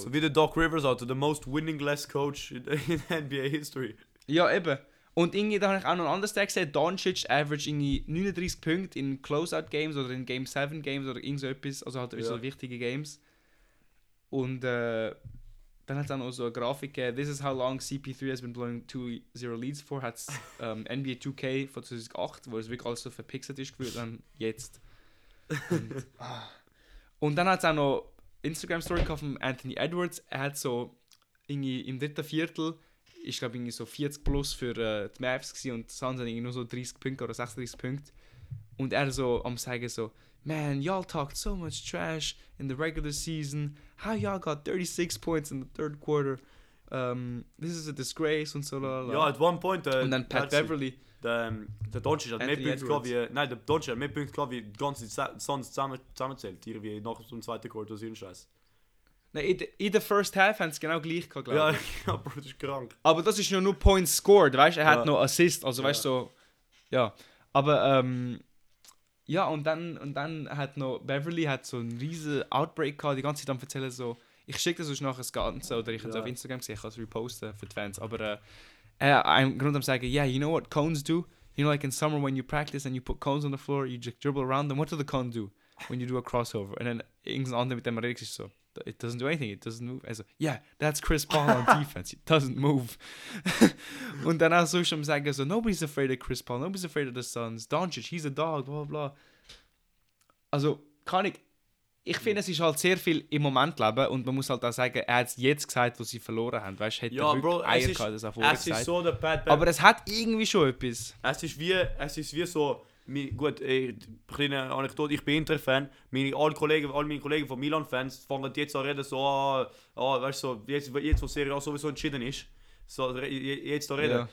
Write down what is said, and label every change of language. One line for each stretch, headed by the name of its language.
German: So wie der
English: Doc Rivers, also the most winningless coach in NBA history.
German: Ja, eben. Und irgendwie, da habe ich auch noch ein anderes Tag gesehen. Doncic average irgendwie 39 Punkte in Closeout Games oder in Game 7 Games oder irgend so etwas. Also halt so wichtige Games. Und dann hat es auch noch so eine Grafik.
English: This is how long CP3 has been blowing 2-0 leads for.
German: Hat es NBA 2K von 2008, wo es wirklich alles so verpixelt ist, gefühlt. Dann jetzt. und dann hat es auch noch Instagram-Story von Anthony Edwards. Er hat so irgendwie im dritten Viertel, ich glaube irgendwie so 40 plus für die Mavs gewesen, und Suns hat irgendwie nur so 30 Punkte oder 36 Punkte. Und er so am sagen so,
English: man, y'all talked so much trash in the regular season. How y'all got 36 points in the third quarter? This is a disgrace
German: und so.
English: Lalala. Ja, at one point.
German: Und dann Pat Beverly. Der Doncic hat mehr Punkte gehabt wie... Nein, der Doncic hat mehr Punkte gehabt wie die ganze Suns zusammenzählt. Irgendwie nach dem zweiten Quarter, so ein Scheiß. Nein, in der First Half haben sie genau gleich gehabt, glaube ich. Ja, Bro, das ist krank. Aber das ist nur
English: Points scored,
German: weißt du? Er hat noch Assist, also weißt du, so... Ja, aber ja, und dann hat noch... Beverly hat so einen riesen Outbreak gehabt, die ganze Zeit am erzählen so... Ich schicke das sonst nachher das Ganze, oder ich habe es auf Instagram gesehen, ich kann es reposten für die Fans, aber...
English: I'm going to say, yeah, you know what cones do? You know, like in summer when you practice and you put cones on the floor, you just dribble around them. What do the cones do when you do a crossover? And then Ings on them with them, so it doesn't do anything. It doesn't move. I said, yeah, that's Chris Paul on defense. It doesn't move. And then also I'm saying, so nobody's afraid of Chris Paul. Nobody's afraid of the Suns. Doncic, he's a dog, blah, blah, blah.
German: Also, Kanik, ich finde, es ist halt sehr viel im Moment leben und man muss halt auch sagen, er hat es jetzt gesagt, wo sie verloren haben. Weißt, hätte ja, Bro, Eier gehabt, das auch vorher gesagt. Ist so der Bad. Aber es hat irgendwie schon etwas. Es ist wie so, gut, kleine Anekdote, ich bin Inter-Fan, alle meine Kollegen von Milan-Fans fangen jetzt an zu reden, so, jetzt wo Serie A sowieso entschieden ist, so, jetzt zu reden.